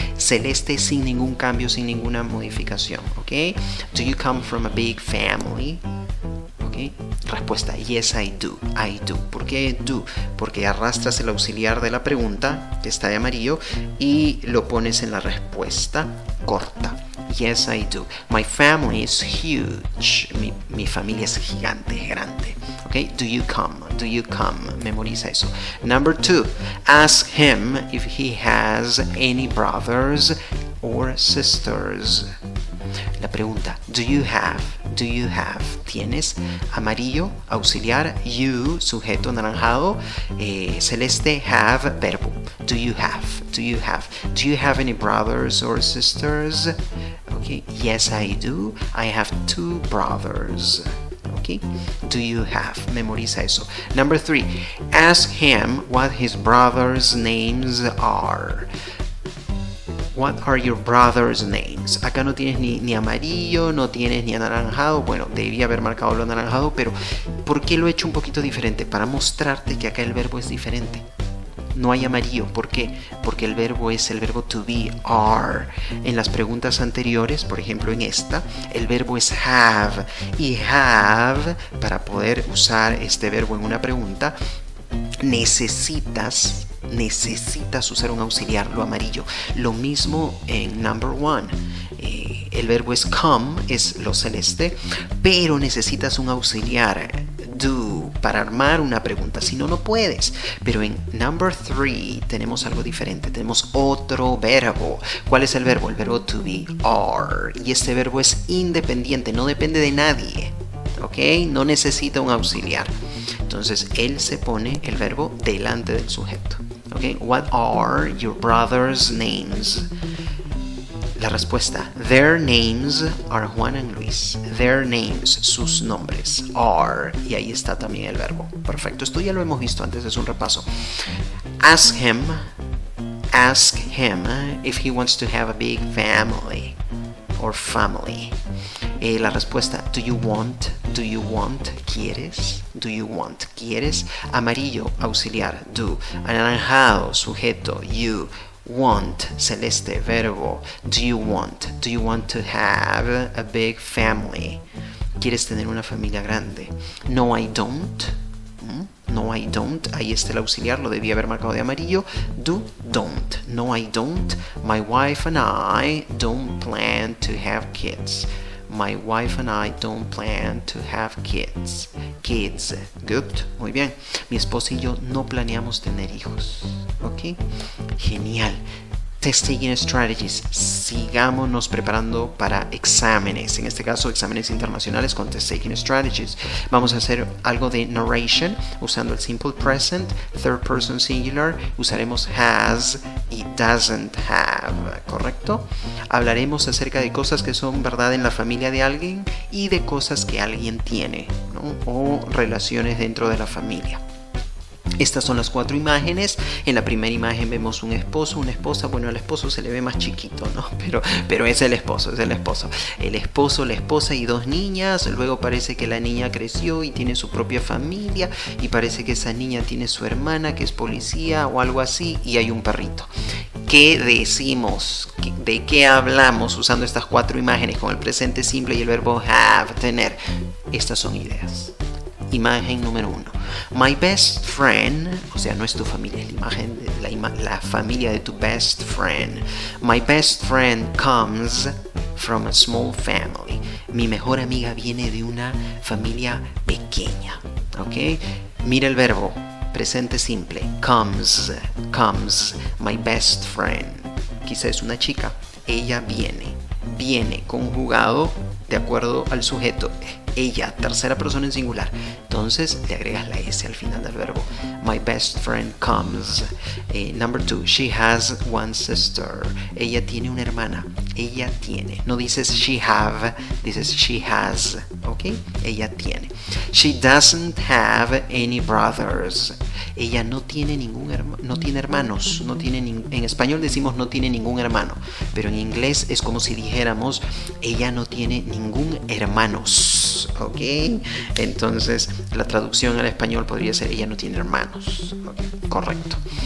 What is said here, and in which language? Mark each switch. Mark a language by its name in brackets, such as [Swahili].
[Spanish] Celeste sin ningún cambio, sin ninguna modificación. [English] Okay? Do you come from a big family? Okay. Respuesta, yes, I do. I do. [Spanish] ¿Por qué [English] do? [Spanish] Porque arrastras el auxiliar de la pregunta, que está de amarillo, y lo pones en la respuesta corta. [English] Yes, I do. My family is huge. [Spanish] Mi familia es gigante, es grande. [English] Okay? Do you come? Do you come? [Spanish] Memoriza eso. [English] Number two, ask him if he has any brothers or sisters. La pregunta, do you have? Do you have? ¿Tienes? [Spanish] Amarillo, auxiliar, [English] you, [Spanish] sujeto, anaranjado, celeste, [English] have, verbo. Do you have? Do you have? Do you have any brothers or sisters? Okay. Yes, I do. I have two brothers. Okay. Do you have? [Spanish] Memoriza eso. [English] Number three. Ask him what his brothers' names are. What are your brothers' names? [Spanish] Acá no tienes ni amarillo, no tienes ni anaranjado. Bueno, debía haber marcado lo anaranjado, pero ¿por qué lo he hecho un poquito diferente? Para mostrarte que acá el verbo es diferente. No hay amarillo. ¿Por qué? Porque el verbo es el verbo to be, are. En las preguntas anteriores, por ejemplo en esta, el verbo es have. Y have, para poder usar este verbo en una pregunta, necesitas usar un auxiliar, lo amarillo. Lo mismo en [English] number one. [Spanish] El verbo es come, es lo celeste, pero necesitas un auxiliar, do, para armar una pregunta. Si no, no puedes. Pero en [English] number three [Spanish] tenemos algo diferente. Tenemos otro verbo. ¿Cuál es el verbo? El verbo to be, are. Y este verbo es independiente, no depende de nadie. ¿Ok? No necesita un auxiliar. Entonces, él se pone el verbo delante del sujeto. [English] Okay, what are your brothers' names? [Spanish] La respuesta, [English] their names are Juan and Luis. Their names, [Spanish] sus nombres, [English] are. [Spanish] Y ahí está también el verbo. Perfecto, esto ya lo hemos visto antes, es un repaso. [English] Ask him if he wants to have a big family or family. La respuesta, do you want, quieres, do you want, quieres, amarillo, auxiliar, do, anaranjado, sujeto, you, want, celeste, verbo, do you want to have a big family, [Spanish] quieres tener una familia grande, [English] no, I don't, no, I don't, [Spanish] ahí está el auxiliar, lo debía haber marcado de amarillo, [English] do, don't, no, I don't, my wife and I don't plan to have kids. My wife and I don't plan to have kids. Kids. Good. [Spanish] Muy bien. Mi esposa y yo no planeamos tener hijos. ¿Ok? Genial. [English] Testing strategies. [Spanish] Sigámonos preparando para exámenes. En este caso, exámenes internacionales con testing strategies. Vamos a hacer algo de narration usando el simple present, third person singular. Usaremos has y doesn't have. ¿Correcto? Hablaremos acerca de cosas que son verdad en la familia de alguien y de cosas que alguien tiene, ¿no? O relaciones dentro de la familia. Estas son las cuatro imágenes. En la primera imagen vemos un esposo, una esposa. Bueno, al esposo se le ve más chiquito, ¿no? Pero es el esposo. El esposo, la esposa y dos niñas. Luego parece que la niña creció y tiene su propia familia. Y parece que esa niña tiene su hermana que es policía o algo así. Y hay un perrito. ¿Qué decimos? ¿De qué hablamos usando estas cuatro imágenes con el presente simple y el verbo have, tener? Estas son ideas. Imagen número uno. [English] My best friend, [Spanish] o sea, no es tu familia, es la imagen, la familia de tu best friend. [English] My best friend comes from a small family. [Spanish] Mi mejor amiga viene de una familia pequeña. ¿Ok? Mira el verbo, presente simple. [English] Comes, my best friend. [Spanish] Quizás es una chica. Ella viene, conjugado de acuerdo al sujeto. Ella, tercera persona en singular. Entonces le agregas la S al final del verbo. [English] My best friend comes. Number two, she has one sister. [Spanish] Ella tiene una hermana. Ella tiene. No dices she have, dices [English] she has. [Spanish] ¿Ok? Ella tiene. [English] She doesn't have any brothers. [Spanish] Ella no tiene ningún hermano, no tiene hermanos. No tiene en español decimos no tiene ningún hermano, pero en inglés es como si dijéramos ella no tiene ningún hermanos. ¿Ok? Entonces la traducción al español podría ser ella no tiene hermanos. Okay, correcto.